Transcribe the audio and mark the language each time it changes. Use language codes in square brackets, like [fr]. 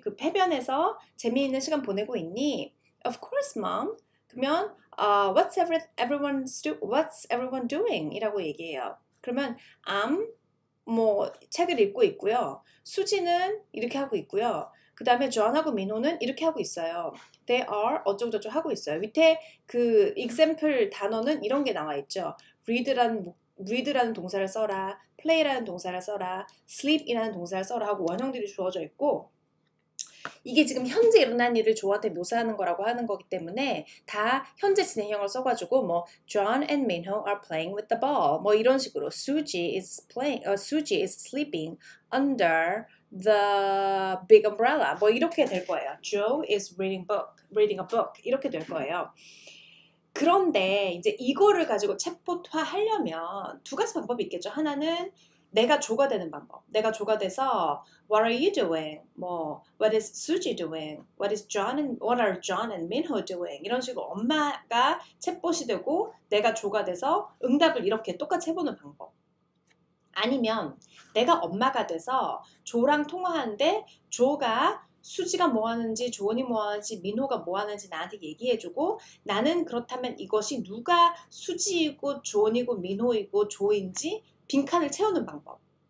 [ko] 그 해변에서 재미있는 시간 보내고 있니? [en] Of course, Mom. [ko] 그러면, [en] what's everyone doing? [ko] 이라고 얘기해요. 그러면, I'm, 뭐, 책을 읽고 있고요. 수지는 이렇게 하고 있고요. 그 다음에, John하고 민호는 이렇게 하고 있어요. [en] They are [ko] 어쩌고저쩌고 하고 있어요. 밑에 그 example 단어는 이런 게 나와 있죠. read라는 동사를 써라, play라는 동사를 써라, sleep이라는 동사를 써라 하고 원형들이 주어져 있고, 이게 지금 현재 일어난 일을 조한테 묘사하는 거라고 하는 거기 때문에 다 현재 진행형을 써가지고 뭐 [en] John and Minho are playing with the ball [ko] 뭐 이런 식으로 [en] Suji is sleeping under the big umbrella [ko] 뭐 이렇게 될 거예요. [en] Joe is reading a book [ko] 이렇게 될 거예요. 그런데 이제 이거를 가지고 챗봇화 하려면 두 가지 방법이 있겠죠. 하나는 내가 조가 되는 방법. 내가 조가 돼서 [en] What are you doing? 뭐, What is Suji doing? What are John and Minho doing? [ko] 이런 식으로 엄마가 챗봇이 되고 내가 조가 돼서 응답을 이렇게 똑같이 해보는 방법. 아니면 내가 엄마가 돼서 조랑 통화하는데 조가 수지가 뭐 하는지, 조언이 뭐 하는지, 민호가 뭐 하는지 나한테 얘기해주고 나는 그렇다면 이것이 누가 수지이고 조언이고 민호이고 조인지 빈칸을 채우는 방법.